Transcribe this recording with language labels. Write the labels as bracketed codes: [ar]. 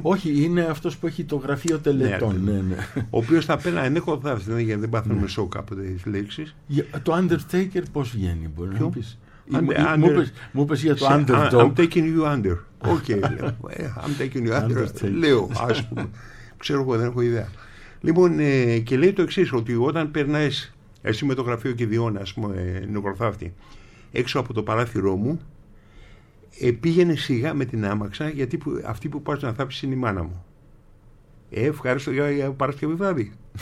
[el] Όχι, είναι αυτός που έχει το γραφείο τελετών. Ναι. Ο οποίος θα πέρα νεκροθάφτης, ναι, γιατί δεν πάθαμε σοκ από τις λέξεις. Το Undertaker πώς βγαίνει, μπορεί να πεις. Μου είπες για το Underdog. [en] I'm taking you under. Okay, I'm taking you under. [el] Λέω, ας πούμε. Ξέρω εγώ, δεν έχω ιδέα. Λοιπόν, και λέει το εξής, ότι όταν περνάς εσύ με το γραφείο κηδιών, ας πούμε, νεκροθάφτη, έξω από το παράθυρό μου, πήγαινε σιγά με την άμαξα, γιατί αυτή που πας να θάψεις είναι η μάνα μου. Ευχαριστώ για Παρασκευή βράδυ.